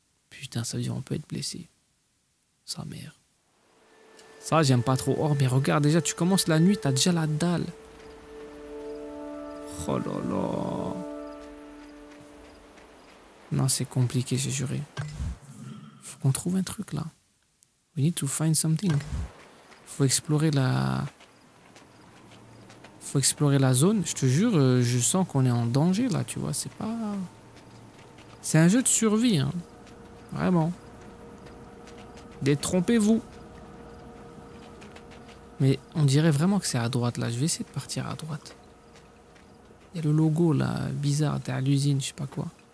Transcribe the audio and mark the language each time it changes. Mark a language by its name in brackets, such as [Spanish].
[French] Putain, ça veut dire qu'on peut être blessé. Sa mère. Ça, j'aime pas trop. Oh, mais regarde, déjà, tu commences la nuit, t'as déjà la dalle. Oh là là. Non, c'est compliqué, j'ai juré. Faut qu'on trouve un truc, là. [English] We need to find something. [French] Faut explorer la... faut explorer la zone. Je te jure, je sens qu'on est en danger là, tu vois. C'est pas... C'est un jeu de survie, hein. Vraiment. Détrompez-vous. Mais on dirait vraiment que c'est à droite là. Je vais essayer de partir à droite. Il y a le logo là, bizarre, t'es à l'usine, je sais pas quoi.